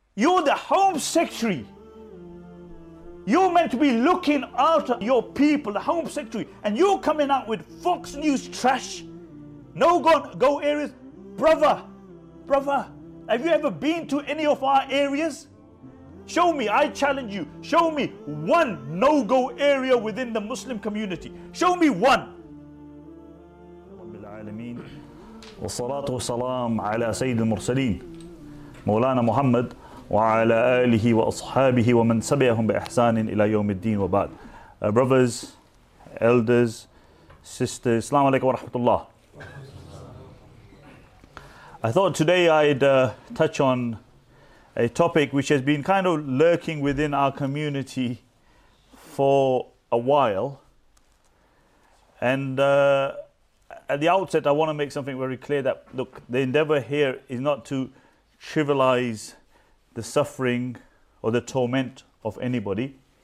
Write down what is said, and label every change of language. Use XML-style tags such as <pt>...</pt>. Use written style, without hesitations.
<en>You're the Home Secretary. You're meant to be looking after your people, the Home Secretary, and you're coming out with Fox News trash. No go areas. Brother, have you ever been to any of our areas? Show me, I challenge you, show me one no-go area within the Muslim community. Show me one.</en> <ar>والصلاة والسلام على سيد المرسلين مولانا محمد وعلى آله وأصحابه ومن سبعهم بإحسان إلى يوم الدين وبعد.</ar> <en>Brothers, elders, sisters,</en> <ar>السلام عليكم ورحمة الله.</ar> <en>I thought today I'd touch on a topic which has been kind of lurking within our community for a while. And at the outset, I want to make something very clear that, look, the endeavor here is not to trivialize the suffering or the torment of anybody.</en>